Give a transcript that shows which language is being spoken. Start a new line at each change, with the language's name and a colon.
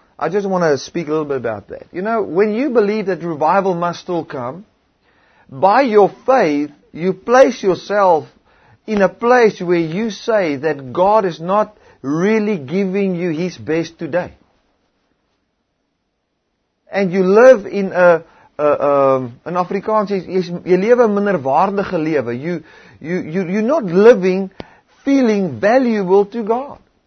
English: I just want to speak a little bit about that. You know, when you believe that revival must still come, by your faith, you place yourself in a place where you say that God is not really giving you His best today. And you live in an Afrikaans,
Afrikaans: jy lewe 'n minderwaardige lewe.
English: You're not living, feeling valuable to God.